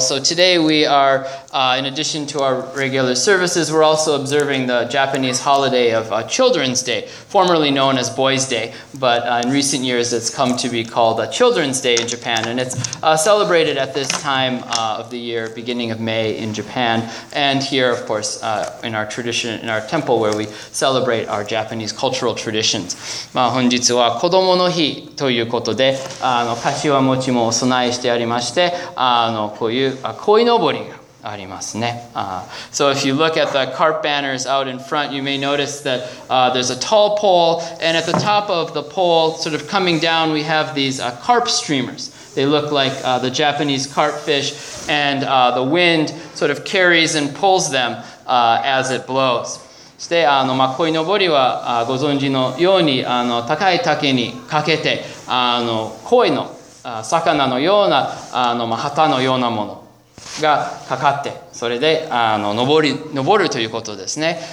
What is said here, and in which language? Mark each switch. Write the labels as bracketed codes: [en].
[en] So today we are, in addition to our regular services, we're also observing the Japanese holiday of Children's Day, formerly known as Boys' Day, but in recent years it's come to be called Children's Day in Japan, and it's celebrated at this time of the year, beginning of May in Japan, and here, of course, in our tradition, in our temple, where we celebrate our Japanese cultural traditions. [ja] まあ本日は子どもの日ということで、かしわ餅もお供えしてありまして、こういう鯉のぼりが。 [en] So if you look at the carp banners out in front, you may notice that there's a tall pole, and at the top of the pole, sort of coming down, we have these carp streamers. They look like the Japanese carp fish, and the wind sort of carries and pulls them as it blows. [ja] そして、鯉のぼりはご存知のように高い竹にかけて鯉の魚のような旗のようなものがかかって、それで登るということですね。